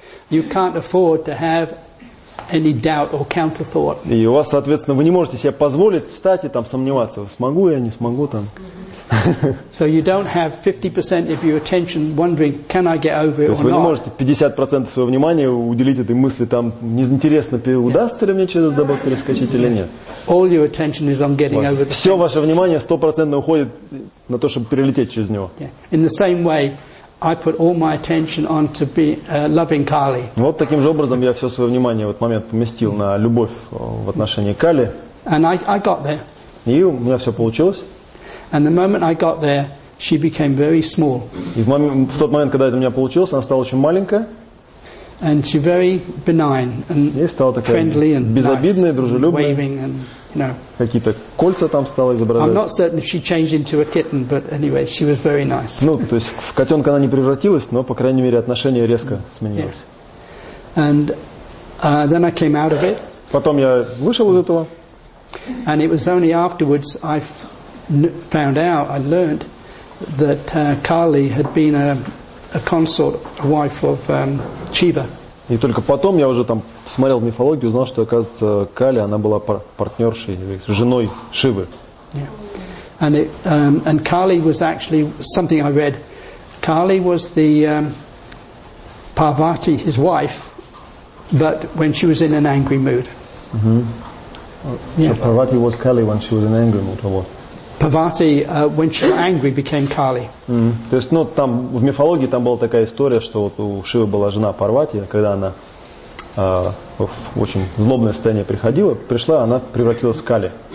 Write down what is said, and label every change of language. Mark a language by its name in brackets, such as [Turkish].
[English] You can't afford to have any doubt or counterthought. [Russian] И у вас, соответственно, вы не можете себе позволить встать и там сомневаться, смогу я, не смогу там. [English] So you don't have 50% of your attention wondering, can I get over it or not? [Russian] То есть вы не можете 50% своего внимания уделить этой мысли там, неинтересно, удастся ли мне через забор перескочить или нет. [English] All your attention is on getting over the [Russian] fence. Все ваше внимание 100% уходит на то, чтобы перелететь через него. [English] In the same way, I put all my attention on to be loving Kali. [Russian] Вот таким же образом я все свое внимание в этот момент поместил на любовь в отношении Кали. [English] And I got there. [Russian] И у меня все получилось. [English] And the moment I got there, she became very small. [Russian] И в тот момент, когда это у меня получилось, она стала очень маленькая. [English] And she very benign and friendly and [Russian] безобидная, [English] nice, [Russian] дружелюбная. [English] Waving and, you know. [Russian] Какие-то кольца там стала изображать. [English] I'm not certain if she changed into a kitten, but anyway, she was very nice. [Russian] Ну, то есть в котенка она не превратилась, но по крайней мере отношение резко сменилось. [English] Yeah. And then I came out of it. [Russian] Потом я вышел из этого. [English] And it was only afterwards I found out, I learned that Kali had been a consort, a wife of Shiva. [Russian] И только потом я уже там смотрел мифологию, узнал, что оказывается Кали, она была партнершей, женой Шивы. [English] Yeah. And it, and Kali was actually something I read. Kali was the Parvati, his wife, but when she was in an angry mood. Mm-hmm. Yeah. So Parvati was Kali when she was in an angry mood, or what? Parvati, when she was angry, became Kali. Mm-hmm. [Russian] То есть, ну, там в мифологии там была такая история, что вот у Шивы была жена Парвати, когда она в очень злобное состояние приходила, пришла, она превратилась в Кали.